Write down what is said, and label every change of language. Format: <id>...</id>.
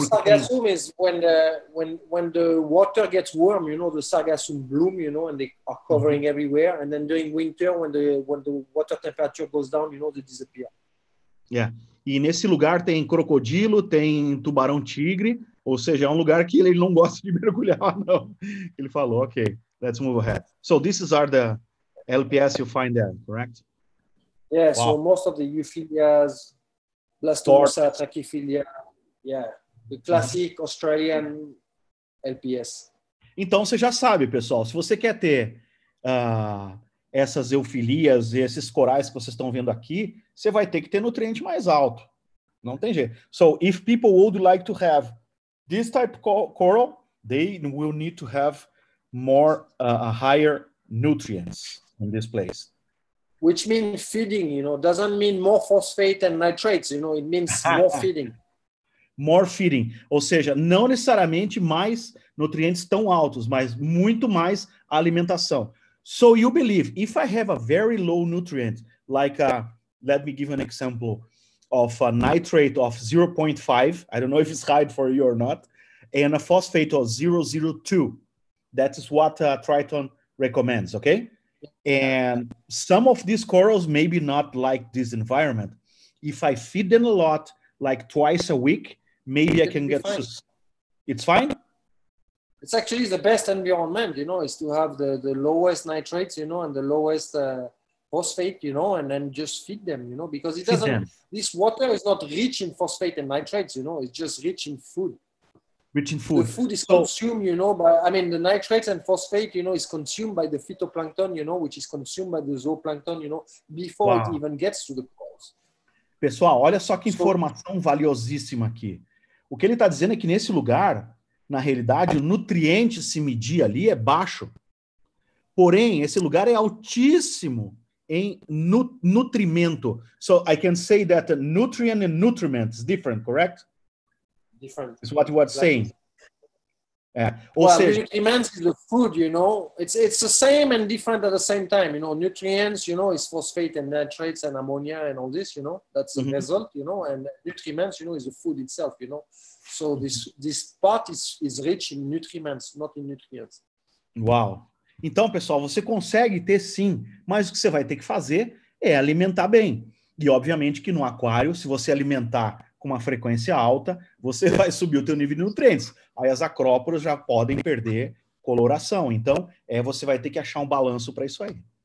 <en>Sargassum is when the water gets warm, you know, the sargassum bloom, you know, and they are covering everywhere. And then during winter, when the water temperature goes down, you know, they disappear. Yeah.</en> <pt>E nesse lugar tem crocodilo, tem tubarão tigre, ou seja, é um lugar que ele não gosta de mergulhar, não. Ele falou, ok,</pt> <en>let's move ahead. So, these are the LPS you find there, correct? Yeah, wow. So most of the euphilias, blastomosa, trachyphilia, yeah, the classic Australian LPS.</en> <pt>Então, você já sabe, pessoal, se você quer ter essas eufilias e esses corais que vocês estão vendo aqui, você vai ter que ter nutriente mais alto. Não tem jeito.</pt> <en>So, if people would like to have this type of coral, they will need to have more, higher nutrients in this place. Which means feeding, you know, doesn't mean more phosphate and nitrates, you know, it means more feeding. More feeding.</en> <pt>Ou seja, não necessariamente mais nutrientes tão altos, mas muito mais alimentação.</pt> <en>So, you believe, if I have a very low nutrient, like a let me give an example of a nitrate of 0.5. I don't know if it's high for you or not. And a phosphate of 0.02. That is what Triton recommends, okay? And some of these corals maybe not like this environment. If I feed them a lot, like twice a week, maybe I can get... Fine. It's fine? It's actually the best environment, you know, is to have the lowest nitrates, you know, and the lowest... phosphate, you know, and then just feed them, you know, because it doesn't, this water is not rich in phosphate and nitrates, you know, it's just rich in food. Rich in food. The food is consumed, you know, by, I mean, the nitrates and phosphate, you know, is consumed by the phytoplankton, you know, which is consumed by the zooplankton, you know, before it even gets to the corals.</en> <pt>Pessoal, olha só que informação valiosíssima aqui. O que ele está dizendo é que nesse lugar, na realidade, o nutriente se medir ali é baixo. Porém, esse lugar é altíssimo em nutrimento.</pt> <en>So, I can say that nutrient and nutriment is different, correct? Different. It's what you were saying. Well, nutrients is the food, you know. It's the same and different at the same time. You know, nutrients, you know, is phosphate and nitrates and ammonia and all this, you know. That's the result, you know. And nutrients, you know, is the food itself, you know. So, this part is rich in nutrients, not in nutrients. Wow.</en> <pt>Então, pessoal, você consegue ter sim, mas o que você vai ter que fazer é alimentar bem. E, obviamente, que no aquário, se você alimentar com uma frequência alta, você vai subir o teu nível de nutrientes. Aí as acrópolis já podem perder coloração. Então, você vai ter que achar um balanço para isso aí.</pt>